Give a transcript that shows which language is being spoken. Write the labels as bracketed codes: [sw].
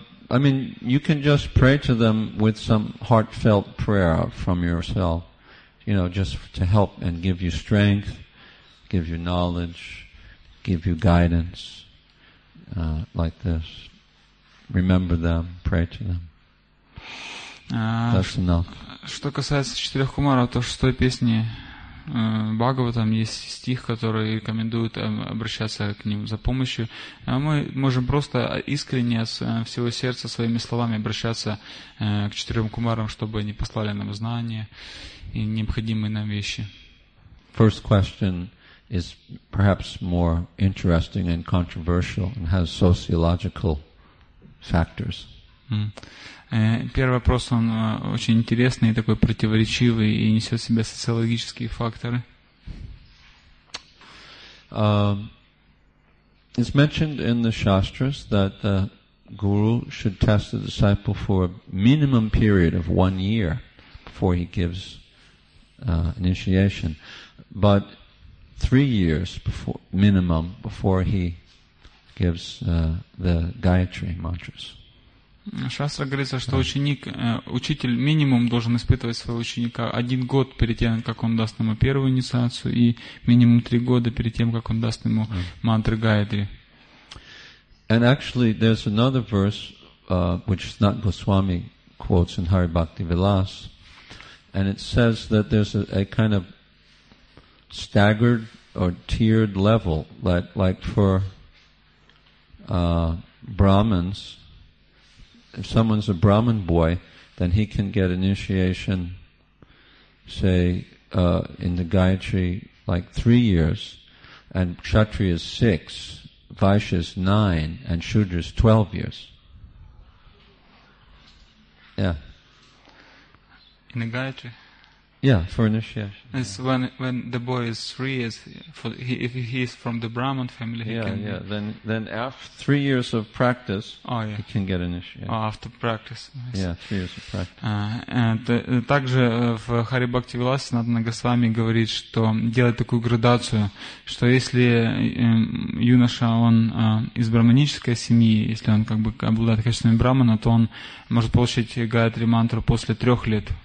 [en] I mean, you can just pray to them with some heartfelt prayer from yourself, you know, just to help and give you strength, give you knowledge, give you guidance, like this. Remember them, pray to them. That's enough. [ru] Что касается четырех кумаров, то что в песне Бхагаватам есть стих, который рекомендует обращаться к ним за помощью. Мы можем просто искренне с всего сердца своими словами обращаться к четырем кумарам, чтобы они послали нам знания и необходимые нам вещи. [en] First question is perhaps more interesting and controversial and has sociological factors. [ru] Первый вопрос, он очень интересный, такой противоречивый и несет в себе социологические факторы. [en] It's mentioned in the Shastras that the guru should test the disciple for a minimum period of 1 year before he gives initiation. But 3 years before, minimum before he gives the Gayatri mantras. [ru] Шастра говорится, что ученик, учитель минимум должен испытывать своего ученика 1 год перед тем, как он даст ему первую инициацию, и минимум 3 года перед тем, как он даст ему мантры Гайдри. [en] And actually, there's another verse, which is not Goswami quotes in Hari Bhakti Vilas, and it says that there's a kind of staggered or tiered level, like for Brahmins. If someone's a Brahmin boy, then he can get initiation, say, in the Gayatri, like 3 years, and Kshatriya is 6, Vaishya is 9, and Shudra is 12 years. Yeah. In the Gayatri? Yeah, for initiation. It's when the boy is 3 years, if he is from the Brahmin family, Then after 3 years of practice, he can get initiated. After practice. Yeah, 3 years of practice. [ru] Также в Хари Бхакти Виласе Санатана Госвами говорит, что делает такую градацию, что если юноша, он из брахманической семьи, если он как бы обладает качествами брахмана, то он может получить Гаятри мантру после 3 лет